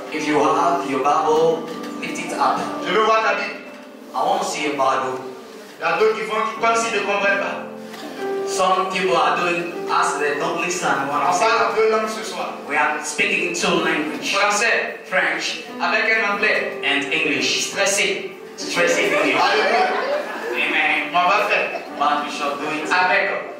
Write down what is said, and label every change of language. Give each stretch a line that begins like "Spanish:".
English: If you have your Bible, lift it up.
French: Je veux voir ta Bible.
English: I want to see your Bible.
French: Il y a d'autres qui font comme s'ils ne comprennent pas.
English: Some people are doing as they don't listen.
French: On parle deux langues ce soir.
English: We are speaking in two languages.
French: Français,
English: French,
French: avec un anglais,
English: and English.
French: Stressé, stressé. Alléluia. Amen. On va faire.
English: But we shall do it.
French: Avec,